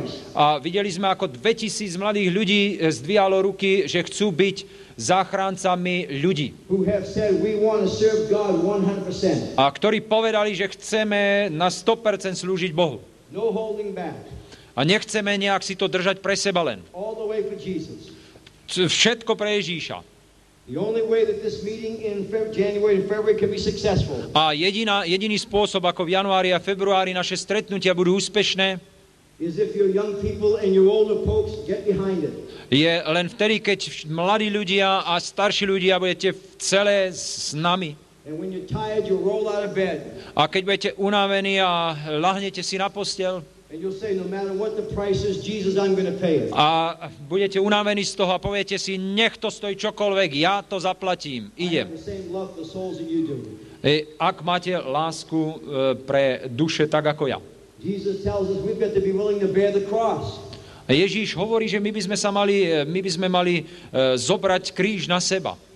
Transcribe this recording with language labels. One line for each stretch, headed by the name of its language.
Slovak: A videli sme, ako 2000 mladých ľudí zdvíjalo ruky, že chcú byť záchrancami ľudí.
English: Who have said we want to serve God 100%.
Slovak: A ktorí povedali, že chceme na 100% slúžiť Bohu.
English: No holding back.
Slovak: A nechceme nejak si to držať pre seba len.
English: All the way for Jesus.
Slovak: Všetko pre Ježíša.
English: The only way that this meeting in January and February can be successful.
Slovak: A jediný spôsob, ako v januári a februári naše stretnutia budú úspešné,
English: is if your young people and your older folks get behind it.
Slovak: Je len vtedy, keď mladí ľudia a starší ľudia budete celé s nami.
English: And when you're tired, you roll out of bed.
Slovak: A keď budete unavení a lahnete si na posteľ.
English: And you'll say, no matter what the price is, Jesus, I'm going to pay it.
Slovak: A budete unavení z toho a poviete si, nech to stojí čokoľvek, ja to zaplatím, idem.
English: I have the same love for souls that you do.
Slovak: Ak máte lásku pre duše tak ako ja.
English: Jesus tells us we've got to be willing to bear the cross.
Slovak: Ježíš hovorí, že my by sme mali zobrať kríž na seba.